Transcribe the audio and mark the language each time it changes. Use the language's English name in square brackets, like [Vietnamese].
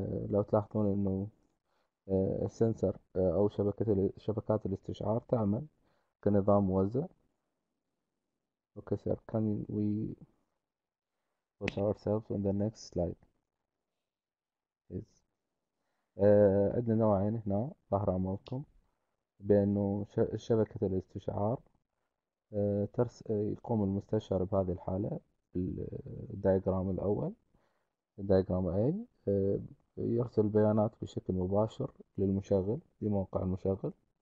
[Arabic] لو تلاحظون أنه السنسر أو شبكات الاستشعار تعمل كنظام موزع. [English] Okay sir, can we put ourselves on the next slide, please? [Arabic] عندنا نوعين هنا ظهر أمامكم، بأنه شبكة الاستشعار يقوم المستشعر بهذه الحالة بالدايجرام الأول، دايجرام A، يرسل البيانات بشكل مباشر للمشغل، لموقع المشغل.